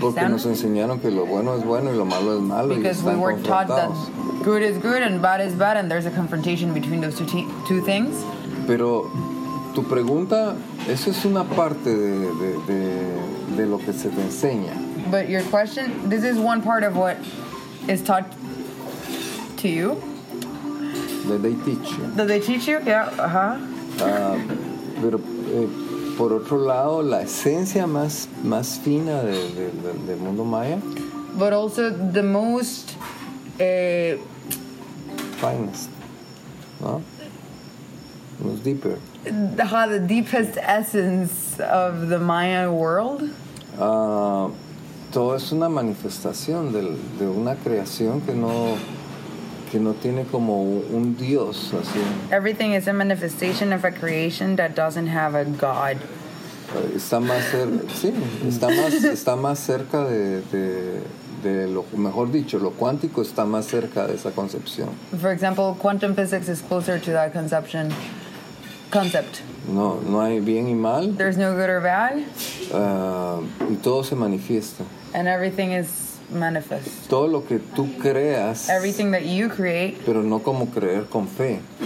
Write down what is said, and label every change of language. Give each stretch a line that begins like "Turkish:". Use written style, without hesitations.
Spanish: Porque nos enseñaron que lo bueno es bueno y lo malo es malo.
English: Because
Spanish: y están
English: we were taught that good is good and bad is bad, and there's a confrontation between those two things.
Spanish: Pero tu pregunta, eso es una parte de lo que se te enseña.
English: But your question, this is one part of what is taught to you. That they teach you. That they teach you? Yeah. Uh-huh.
Spanish: Pero por otro lado, la esencia más fina del mundo maya.
English: But also the most finest. No? Most deeper. The deepest essence of the Maya world.
Spanish: Todo es una manifestación de una creación que no tiene como un dios así.
English: Everything is a manifestation of a creation that doesn't have a god.
Spanish: Está más cerca de lo mejor dicho, lo cuántico está más cerca de esa concepción.
English: For example, quantum physics is closer to that conception. Concept.
Spanish: No hay bien y mal.
English: There's no good or bad.
Spanish: Y todo se manifiesta.
English: And everything is manifest.
Spanish: Todo lo que tú creas.
English: Everything that you create.
Spanish: Pero no como creer con fe.